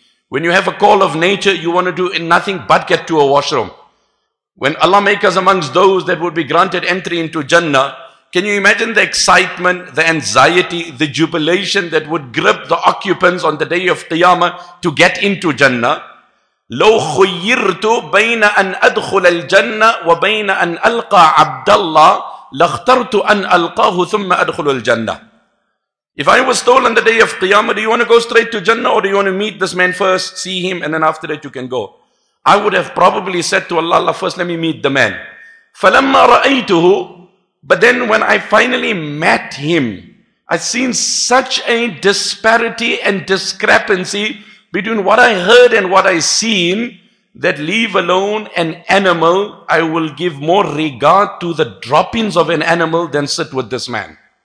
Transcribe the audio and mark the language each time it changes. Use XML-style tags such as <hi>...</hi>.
<en>When you have a call of nature, you want to do nothing but get to a washroom. When Allah make us amongst those that would be granted entry into Jannah, can you imagine the excitement, the anxiety, the jubilation that would grip the occupants on the day of Qiyamah to get into Jannah?</en> <ar>لو خيرت بين أن أدخل الجنة وبين أن ألقى عبد الله لاخترت أن ألقاه ثم أدخل الجنة.</ar> <en>If I was told on the day of Qiyamah, do you want to go straight to Jannah or do you want to meet this man first, see him, and then after that you can go? I would have probably said to Allah, Allah, first let me meet the man.</en> <ar>فلما رأيته,</ar> <en>but then when I finally met him, I seen such a disparity and discrepancy between what I heard and what I seen, that leave alone an animal, I will give more regard to the droppings of an animal than sit with this man.</en>